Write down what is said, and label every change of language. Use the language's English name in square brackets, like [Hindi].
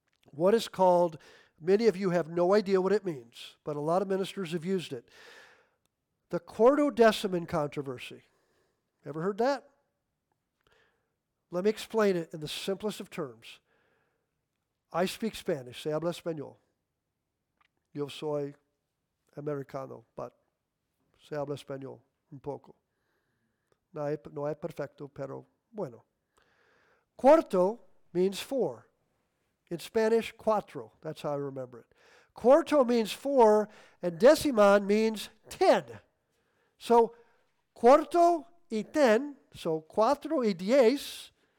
[English] What is called, many of you have no idea what it means, but a lot of ministers have used it, the Quartodeciman controversy. Ever heard that? Let me explain it in the simplest of terms. I speak Spanish. [Spanish] Se habla español. Yo soy americano, but se habla español un poco. No hay perfecto, pero bueno. [English] Cuarto means four. In Spanish, cuatro. That's how I remember it. Cuarto means four, and deciman means 10. [Spanish] So cuarto y 10, so cuatro y diez.